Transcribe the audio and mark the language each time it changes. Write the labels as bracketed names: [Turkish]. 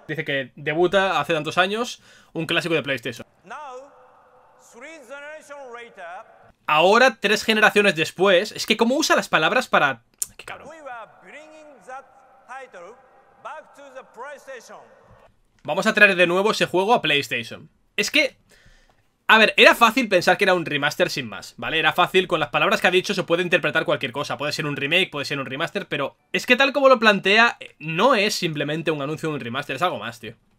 [Spanish] Dice que debuta hace tantos años un clásico de PlayStation. [English] Now, three generations later, [Spanish] ahora, tres generaciones después, es que cómo usa las palabras para... ¡Qué cabrón! [English] We were bringing that title back to the PlayStation. [Spanish] Vamos a traer de nuevo ese juego a PlayStation. Es que... A ver, era fácil pensar que era un remaster sin más, ¿vale? Era fácil, con las palabras que ha dicho se puede interpretar cualquier cosa. Puede ser un remake, puede ser un remaster, pero... Es que tal como lo plantea, no es simplemente un anuncio de un remaster, es algo más, tío.